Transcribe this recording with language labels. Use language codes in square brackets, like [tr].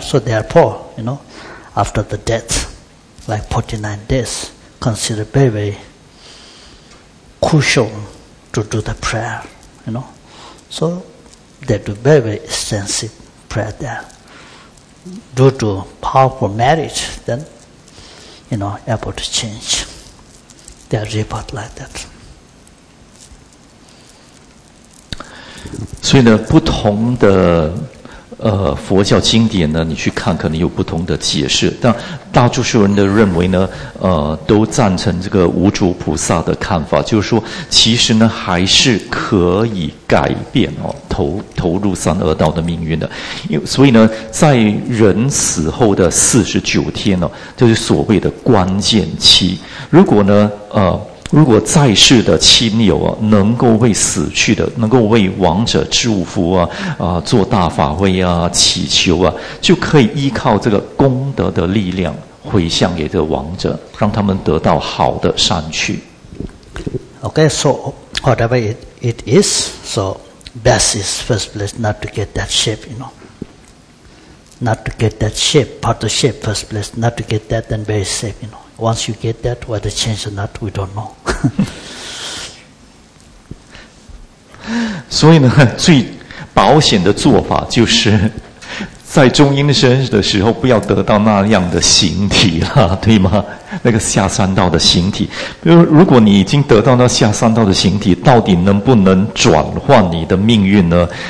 [en] So therefore, you know, after the death, like 49 days, considered very, very crucial to do the prayer, you know. So, they do very, very extensive prayer there. Due to powerful marriage, then, you know, able to change their rebirth like that. [zh] 所以呢，不同的佛教经典呢，你去看可能有不同的解释，但大多数人的认为呢，都赞成这个无著菩萨的看法，就是说其实呢还是可以改变投入三恶道的命运的。所以呢，在人死后的49天呢，就是所谓的关键期。如果呢如果在世的亲友啊，能够为死去的，能够为亡者祝福做大法会啊，祈求啊，就可以依靠这个功德的力量回向给这个亡者，让他们得到好的善去。 [en] Okay, so whatever it is, so best is first place not to get that shape, you know, not to get that shape, part of shape first place, not to get that, then very safe, you know. Once you get that, whether change or not, we don't know. [zh] 所以呢，最保险的做法就是在中阴身的时候，不要得到那样的形体了，对吗？那个下三道的形体，比如如果你已经得到那下三道的形体，到底能不能转换你的命运呢？